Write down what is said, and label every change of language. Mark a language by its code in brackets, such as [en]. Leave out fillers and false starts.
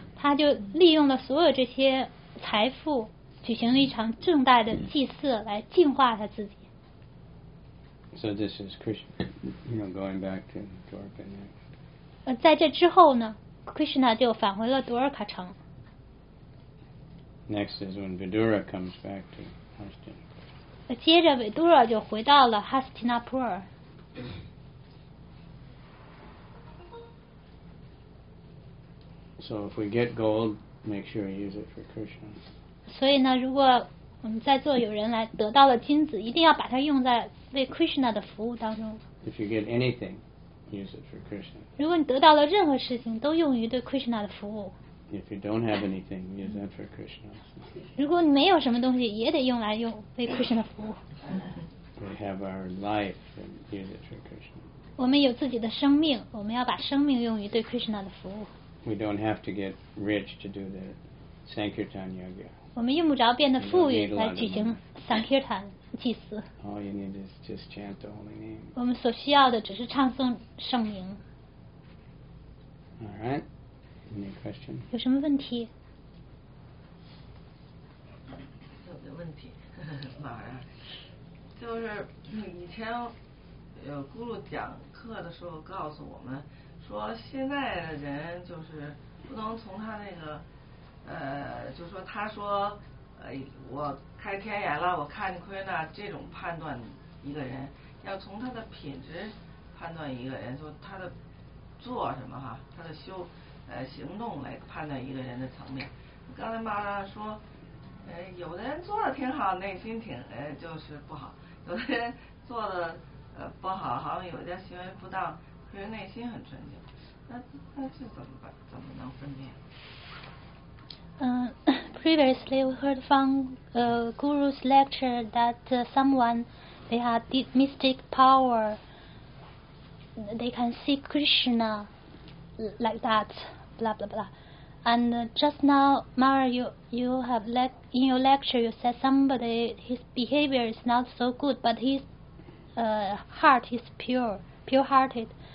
[zh] 他就利用了所有这些财富举行了一场重大的祭祀来净化他自己。 [en] So this is Krishna, you know, going back to Dwarka. [zh] 在这之后呢 Krishna 就返回了 Dwarka 城。 [en] Next is when Vidura comes back to [zh] Hastinapura. 接着 Vidura 就回到了 Hastinapura。 [en] So if we get gold, make sure you use it for Krishna. [zh] 所以呢，如果我们在座有人来得到了金子，一定要把它用在为 Krishna 的服务当中。 [en] If you get anything, use it for Krishna. [zh] 如果你得到了任何事情，都用于对 Krishna 的服务。 [en] If you don't have anything, use that for Krishna. [zh] 如果你没有什么东西，也得用来用为 Krishna 服务。 [en] We have our life and use it for Krishna. [zh] 我们有自己的生命，我们要把生命用于对 Krishna 的服务。 [en] We don't have to get rich to do the Sankirtan Yoga. [zh] 我们用不着变得富裕来举行 Sankirtan 祭祀。 [en] All you need is just chant the holy name. [zh] 我们所需要的只是唱诵圣名。 [en] All right. Any question? [zh] 有什么问题？有的问题，马儿，就是以前咕噜讲课的时候告诉我们说，现在的人就是不能从他那个就说他说我开天眼了，我看亏了这种判断一个人，要从他的品质判断一个人，就他的做什么哈，他的修。行动来判断一个人的层面。刚才妈妈说，有的人做的挺好，内心挺就是不好；有的人做的不好，好像有些行为不当，可是内心很纯净。那这怎么办？怎么能分辨？ [en] Previously we heard from Guru's lecture that someone they have deep mystic power, they can see Krishna. Like that, blah blah blah. And just now, Mara, you have in your lecture, you said somebody, his behavior is not so good, but his heart is pure hearted.